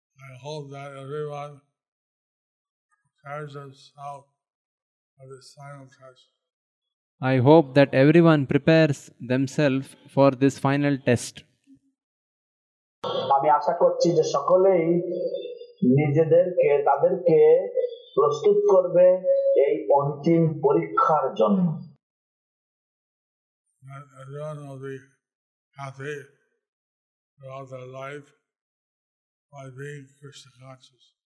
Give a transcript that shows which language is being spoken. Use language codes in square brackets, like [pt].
[en] I hope that everyone prepares himself for this final test. I hope that everyone prepares themselves for this final test. [bn] আমি আশা করছি যে সকলেই নিজেদেরকে তাদেরকে প্রস্তুত করবে এই অন্তিম পরীক্ষার জন্য. [en] That everyone will be happy throughout their life by being Krishna conscious.